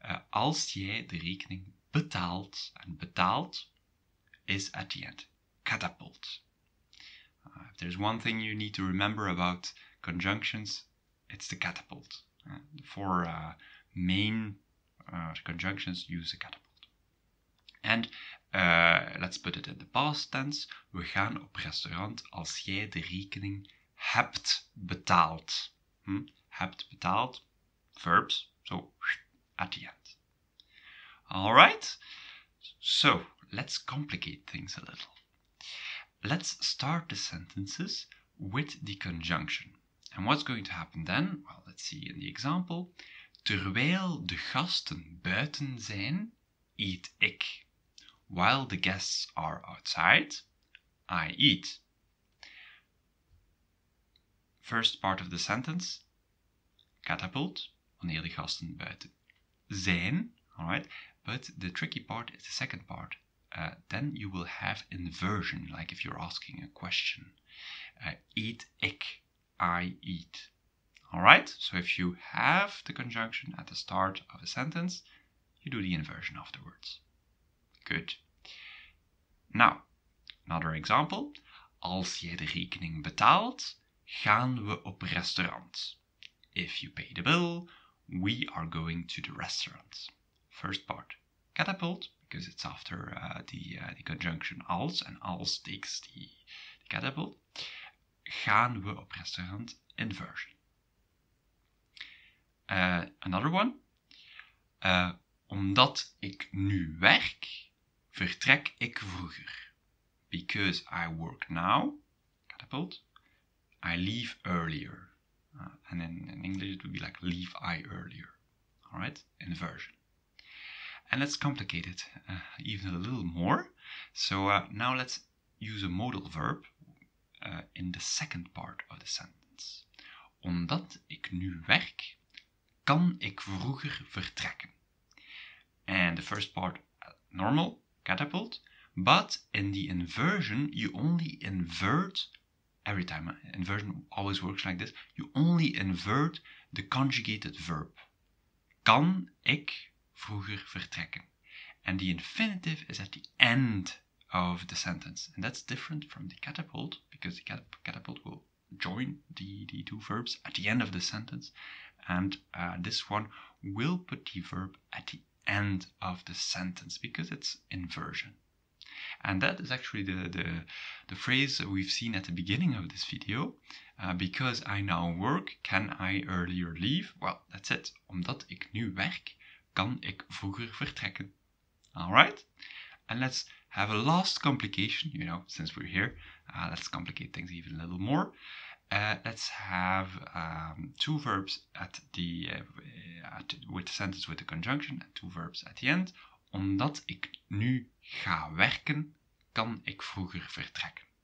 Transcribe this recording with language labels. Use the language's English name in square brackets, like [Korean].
[Dutch] Als jij de rekening betaalt, [English] and betaalt is at the end. Catapult. If there's one thing you need to remember about conjunctions, it's the catapult. For main conjunctions, use a catapult. And let's put it in the past tense. [Dutch] We gaan op restaurant als jij de rekening hebt betaald. Hebt betaald. [English] Verbs. So, at the end. Alright. So, let's complicate things a little. Let's start the sentences with the conjunction. And what's going to happen then? Well, let's see in the example. [Dutch] Terwijl de gasten buiten zijn, eat ik. [English] While the guests are outside, I eat. First part of the sentence, catapult, [Dutch] wanneer de gasten buiten zijn, [English] all right? But the tricky part is the second part. Then you will have inversion, like if you're asking a question. [Dutch] Eat ik, [English] I eat. All right, so if you have the conjunction at the start of a sentence, you do the inversion afterwards. Good. Now, another example. [Dutch] Als jij de rekening betaalt, gaan we op restaurant. [English] If you pay the bill, we are going to the restaurant. First part, catapult, because it's after the conjunction als, and als takes the catapult. [Dutch] Gaan we op restaurant, inversion. [English] Another one. [Dutch] Omdat ik nu werk, vertrek ik vroeger. [English] Because I work now, catapult, I leave earlier. And in English, it would be like, leave I earlier. All right, inversion. And let's complicate it even a little more. So now let's use a modal verb in the second part of the sentence. [Dutch] Omdat ik nu werk, kan ik vroeger vertrekken. [English] And the first part, normal, catapult. But in the inversion, you only invert, every time, inversion always works like this, you only invert the conjugated verb. [Dutch] Kan ik vroeger vertrekken? [English] And the infinitive is at the end of the sentence. And that's different from the catapult, because the catapult will join the two verbs at the end of the sentence. And this one will put the verb at the end of the sentence, because it's inversion. And that is actually the phrase we've seen at the beginning of this video. Because I now work, can I earlier leave? Well, that's it. [Dutch] Omdat ik nu werk, kan ik vroeger vertrekken. [English] Alright? And let's have a last complication, you know, since we're here. Let's complicate things even a little more. Let's have two verbs at the with the sentence with the conjunction and two verbs at the end. [Dutch] Omdat ik nu ga werken, kan ik vroeger vertrekken.